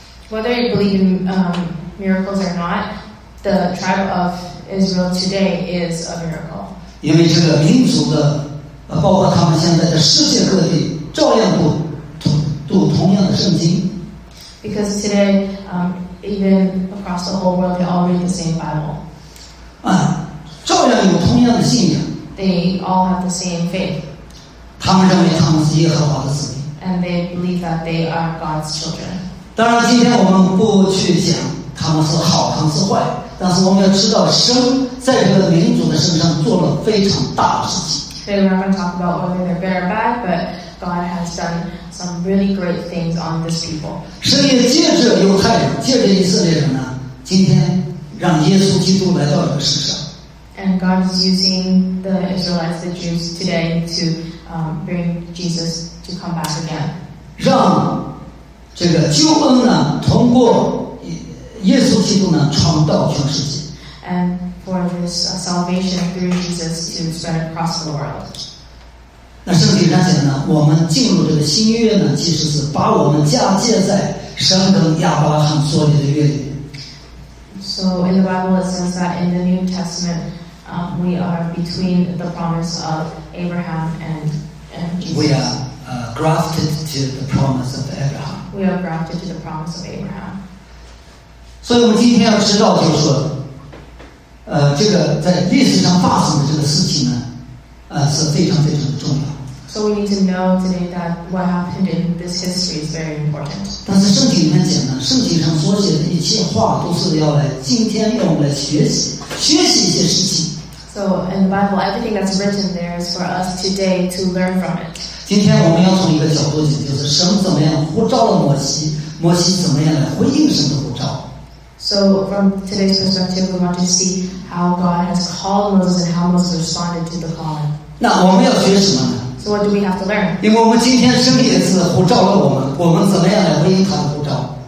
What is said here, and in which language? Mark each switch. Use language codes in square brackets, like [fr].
[en] Whether you believe in miracles or not. The tribe of Israel today is a miracle. [zh] 因为这个民族的，包括他们现在的世界各地，照样读同样的圣经。 [en] Because today, even across the whole world, they all read the same Bible. [zh] 照样有同样的信仰。 [en] They all have the same faith. [zh] 他们认为他们是耶和华的子民。 [en] And they believe that they are God's children. [zh] 当然，今天我们不去讲他们是好，他们是坏。但是我们要知道，神在这个民族的身上做了非常大的事情。 [en] They never talk about whether they're good or bad, but God has done some really great things on this people. [zh] 神也借着犹太人，借着以色列人呢，今天让耶稣基督来到这个世上。 [en] And God is using the Israelites, the Jews today, to bring Jesus to come back again. [zh] 让这个救恩呢，通过。耶稣基督呢，传到全世界。 [en] And for this salvation through Jesus to spread across the world. [zh] 那圣经上讲呢，我们进入这个新约呢，其实是把我们嫁接在神跟亚伯拉罕所立的约里面。 [en] So in the Bible it says that in the New Testament, we are between the promise of Abraham and Jesus. We are grafted to the promise of Abraham. We are grafted to the promise of Abraham. [zh] 所以我们今天要知道就是说这个在历史上发生的这个事情呢是非常非常重要。 [en] So we need to know today that what happened in this history is very important. [zh] 但是圣经里面讲呢圣经上所写的一切话都是要来今天要我们来学习一些事情。 [en] So in the Bible, everything that's written there is for us today to learn from it. [zh] 今天我们要从一个角度讲就是神怎么样呼召了摩西怎么样来回应神的呼召。 [en] So from today's perspective, we want to see how God has called Moses and how Moses responded to the calling. [zh] 那我们要学什么呢？ [en] So what do we have to learn? [zh] 因为我们今天圣灵也是呼召了我们，我们怎么样来回应他的呼召